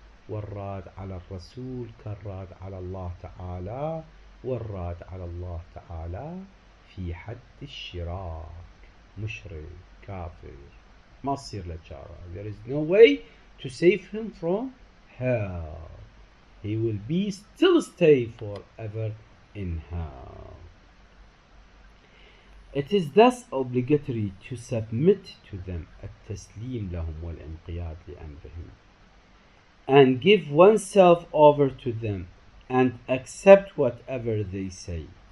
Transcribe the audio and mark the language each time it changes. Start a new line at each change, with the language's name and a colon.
Arabic: والراد على الرسول كالراد على الله تعالى والراد على الله تعالى في حد الشراك مشرك كافر ما تصير له جارة.
English: There is no way to save him from hell. He will be still stay forever in hell. It is thus obligatory to submit to them.
Arabic: التسليم لهم والانقياد لأمرهم.
English: And give oneself over to them and accept whatever they say.